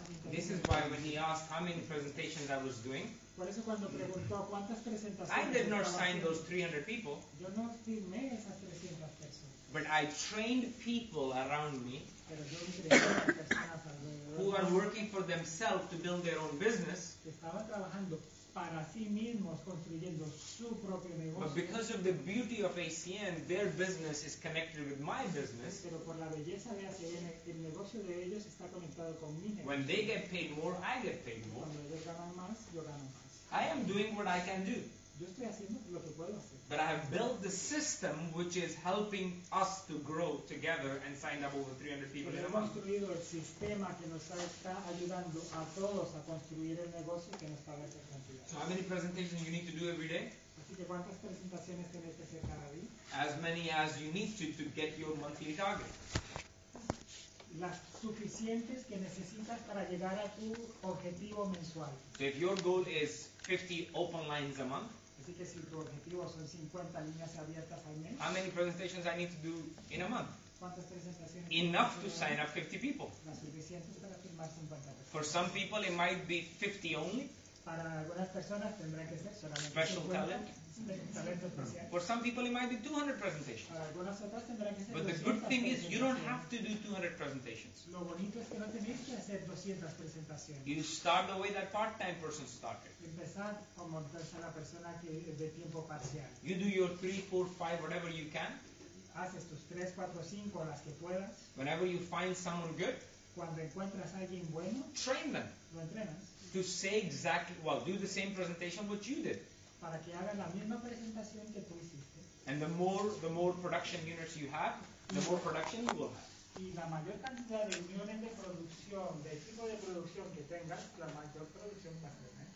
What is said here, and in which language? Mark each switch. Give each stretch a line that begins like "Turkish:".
English: This is why when he asked how many presentations I was doing,
Spanish: por eso cuando preguntó cuántas presentaciones,
English: I did not sign those 300 people.
Spanish: Yo no firmé esas 300 personas.
English: But I trained people around me
Spanish: pero yo entrené a las personas alrededor
English: who are working for themselves to build their own business.
Spanish: Que estaba trabajando para sí mismos construyendo su propio negocio.
English: But because of the beauty of ACN, their business is connected with my business.
Spanish: Pero por la belleza de ACN, el negocio de ellos está conectado con mi negocio.
English: When they get paid more, I get paid more.
Spanish: Cuando ellos ganan más, yo gano más.
English: I am doing what I can do.
Spanish: Yo estoy haciendo lo que puedo hacer.
English: But I have built the system which is helping us to grow together and sign up over 300 people.
Spanish: Pero hemos construido el sistema que nos está ayudando a todos a construir el negocio que nos paga esa cantidad.
English: So how many presentations you need to do every day?
Spanish: Así que ¿cuántas presentaciones tenéis que hacer cada día?
English: As many as you need to get your monthly target.
Spanish: Las suficientes que necesitas para llegar a tu objetivo mensual.
English: So if your goal is 50 open lines a month.
Spanish: Así que si tu objetivo son 50 líneas abiertas al mes.
English: How many presentations I need to do in a month?
Spanish: ¿Cuántas presentaciones?
English: Enough to sign up 50 people.
Spanish: Las suficientes para firmar 50 personas.
English: For some people it might be 50 only.
Spanish: Para algunas personas tendrá que ser solamente
English: special
Spanish: 50.
English: Talent. For some people, it might be 200 presentations.
Spanish: Algunas otras tendrán que ser
English: but the good thing is, you don't have to do 200 presentations.
Spanish: Lo bonito es que no tenéis que hacer 200 presentaciones.
English: You start the way that part-time person started.
Spanish: Empezar como la persona que es de tiempo parcial.
English: You do your 3, 4, 5, whatever you can.
Spanish: Haces tus 3, 4, 5, las que puedas.
English: Whenever you find someone good,
Spanish: cuando encuentras a alguien bueno,
English: train them.
Spanish: Lo entrenas.
English: To say exactly, well, do the same presentation what you did.
Spanish: para que haga la misma presentación que tú hiciste.
English: And the more production units you have, the more production you will have.
Spanish: Y la mayor cantidad de uniones de producción, de tipo de producción que tengas, la mayor producción va a tener.